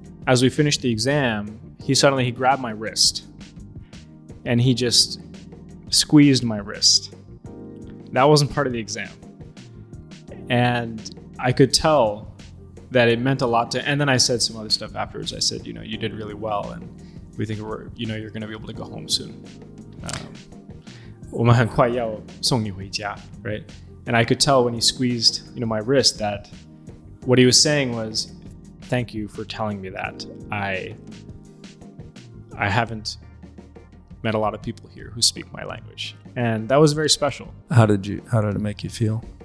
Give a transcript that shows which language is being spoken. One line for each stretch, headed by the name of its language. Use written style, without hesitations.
English: As we finished the exam, he suddenly grabbed my wrist and he just squeezed my wrist. That wasn't part of the exam. And I could tell that it meant a lot to, and then I said some other stuff afterwards. I said, you know, you did really well and we think we're, you know, you're going to be able to go home soon.
Chinese: 我们很快要送你回家,
English: right? And I could tell when he squeezed, you know, my wrist that what he was saying was, thank you for telling me that. I haven't met a lot of people here who speak my language. And that was very special. How did it make you feel?